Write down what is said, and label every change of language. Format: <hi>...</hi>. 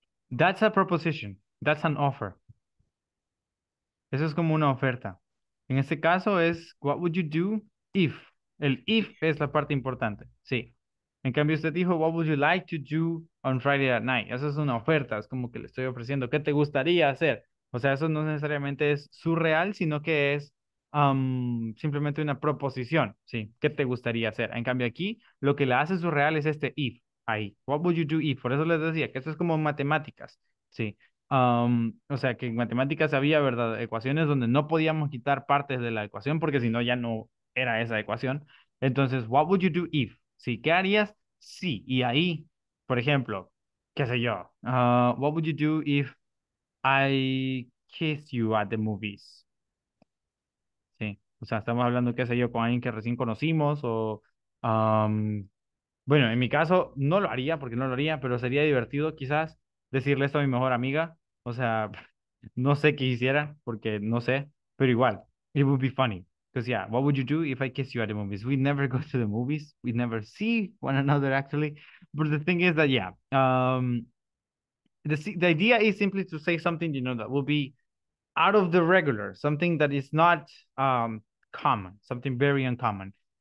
<en>That's a proposition. That's an offer.</en> <es>Eso es como una oferta. En este caso es,</es> <en>what would you do if?</en> <es>El if es la parte importante. Sí. En cambio, usted dijo,</es> <en>what would you like to do on Friday at night?</en> <es>Eso es una oferta, es como que le estoy ofreciendo, ¿qué te gustaría hacer? O sea, eso no necesariamente es surreal, sino que es simplemente una proposición, ¿sí? ¿Qué te gustaría hacer? En cambio, aquí, lo que la hace surreal es este if, ahí.</es> <en>What would you do if?</en> <es>Por eso les decía que esto es como matemáticas, ¿sí? O sea, que en matemáticas había, ¿verdad?, ecuaciones donde no podíamos quitar partes de la ecuación, porque si no, ya no era esa ecuación. Entonces,</es> <en>what would you do if?</en> <es>Sí, ¿qué harías? Sí, y ahí, por ejemplo, qué sé yo,</es> <en>what would you do if I kissed you at the movies?</en> <es>Sí, o sea, estamos hablando, qué sé yo, con alguien que recién conocimos o, bueno, en mi caso no lo haría porque no lo haría, pero sería divertido quizás decirle esto a mi mejor amiga, o sea, no sé qué hiciera porque no sé, pero igual,</es> <en>it would be funny. Because, yeah, what would you do if I kiss you at the movies? We never go to the movies. We never see one another, actually. But the thing is that, yeah, the idea is simply to say something, you know, that will be out of the regular, something that is not common, something very uncommon.</en>